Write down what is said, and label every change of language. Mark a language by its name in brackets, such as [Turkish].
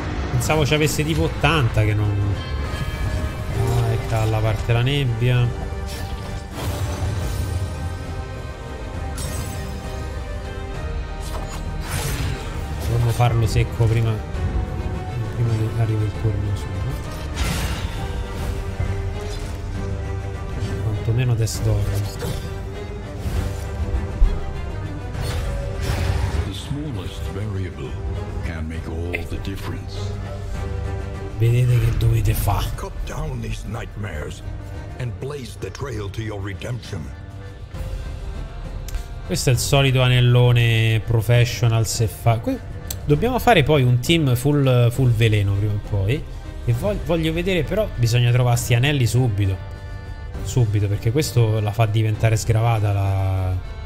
[Italian] Pensavo ci avesse tipo 80 che non... Ah, è calla, parte la nebbia. Dovremmo farlo secco prima, prima che arrivi il turno su. Meno Death Door. [English] The smallest variable can make all the difference. [Italian] Vedete che dovete fare. [English] Cut down these nightmares and blaze the trail to your redemption. [Italian] Questo è il solito anellone professional se fa. Dobbiamo fare poi un team full veleno prima o poi. E voglio vedere, però bisogna trovare sti anelli subito. Subito, perché questo la fa diventare sgravata.